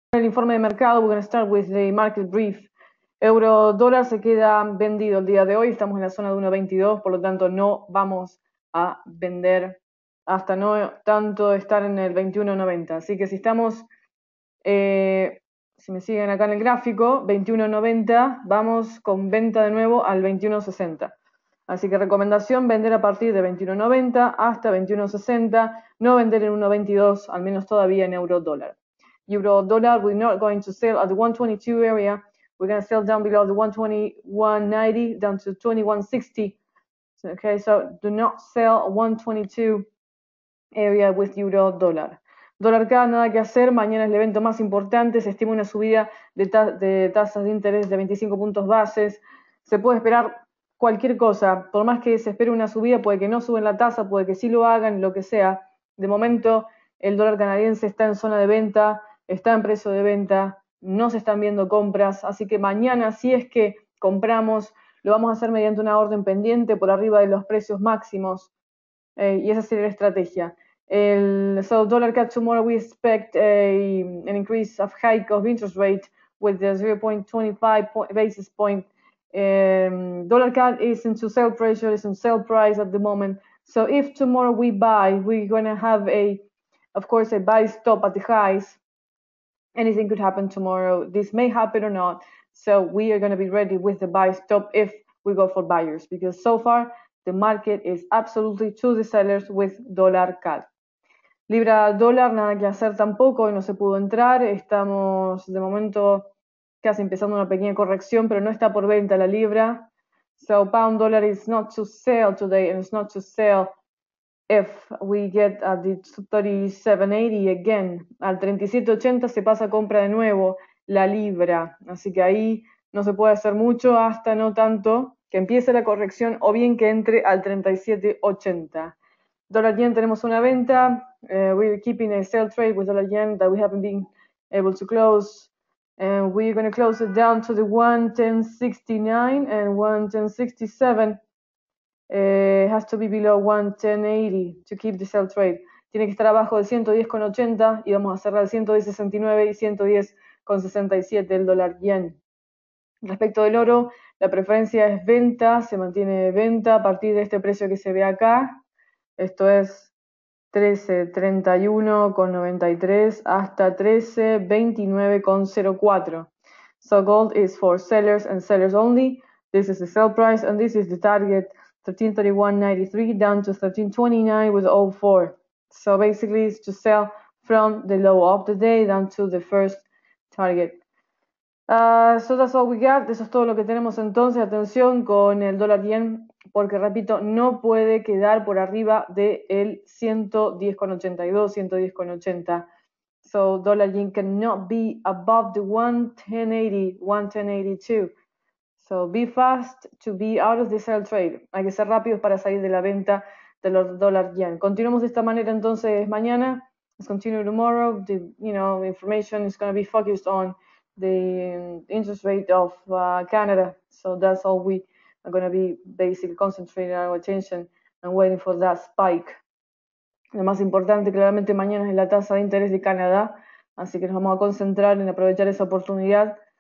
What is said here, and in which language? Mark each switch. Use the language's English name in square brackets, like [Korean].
[Spanish] El informe de mercado, [English] we're going to start with the market brief. [Spanish] Euro dólar se queda vendido el día de hoy, estamos en la zona de 1.22, por lo tanto no vamos a vender hasta no tanto estar en el 21.90. Así que si estamos, si me siguen acá en el gráfico, 21.90, vamos con venta de nuevo al 21.60. Así que recomendación, vender a partir de 21.90 hasta 21.60, no vender en 1.22, al menos todavía en euro dólar. [English] Euro dólar, we're not going to sell at the 122 area. We're going to sell down below the 121.90, down to 21.60. Okay, so do not sell 122 area with euro dólar. [Spanish] Dólar CAD, nada que hacer. Mañana es el evento más importante. Se estima una subida de tasas de interés de 25 puntos bases. Se puede esperar cualquier cosa. Por más que se espere una subida, puede que no suban la tasa, puede que sí lo hagan, lo que sea. De momento, el dólar canadiense está en zona de venta. Está en precio de venta, no se están viendo compras, así que mañana, si es que compramos, lo vamos a hacer mediante una orden pendiente por arriba de los precios máximos, y esa sería la estrategia. [English] El so, dólar CAD tomorrow, we expect an increase of hike of interest rate with the 0.25 basis point. Dólar CAD is into sell pressure, is in sell price at the moment. So if tomorrow we buy, we're going to have a, of course, a buy stop at the highs. Anything could happen tomorrow. This may happen or not. So we are going to be ready with the buy stop if we go for buyers. Because so far, the market is absolutely to the sellers with dollar CAD. [Spanish] Libra dólar, nada que hacer tampoco. Hoy no se pudo entrar. Estamos de momento casi empezando una pequeña corrección, pero no está por venta la libra. [English] So pound dollar is not to sell today and it's not to sell. If we get at the 37.80 again, [Spanish] al 37.80 se pasa a compra de nuevo la libra. Así que ahí no se puede hacer mucho hasta no tanto que empiece la corrección o bien que entre al 37.80. Dólar yen, tenemos una venta. [English] We're keeping a sell trade with dollar yen that we haven't been able to close. And we're going to close it down to the 110.69 and 110.67. It has to be below 110.80 to keep the sell trade. [Spanish] Tiene que estar abajo de 110.80 y vamos a cerrar 110.69 y 110.67 el dólar yen. Respecto del oro, la preferencia es venta, se mantiene venta a partir de este precio que se ve acá. Esto es 13.31.93 hasta 13.29.04. [English] So gold is for sellers and sellers only. This is the sell price and this is the target. 13.31.93 down to 13.29.04. So basically, it's to sell from the low of the day down to the first target. So that's all we got. [Spanish] Eso es todo lo que tenemos entonces. Atención con el dólar yen, porque repito, no puede quedar por arriba del 110.82, 110.80. [English] So dollar yen cannot be above the 110.80, 110.82. So be fast to be out of the sell trade. [Spanish] Hay que ser rápidos para salir de la venta de los dólar yen. Continuamos de esta manera entonces mañana. [English] Let's continue tomorrow. The information is going to be focused on the interest rate of Canada. So that's all we are going to be basically concentrating our attention and waiting for that spike. [Spanish] Lo más importante claramente mañana es la tasa de interés de Canadá. Así que nos vamos a concentrar en aprovechar esa oportunidad.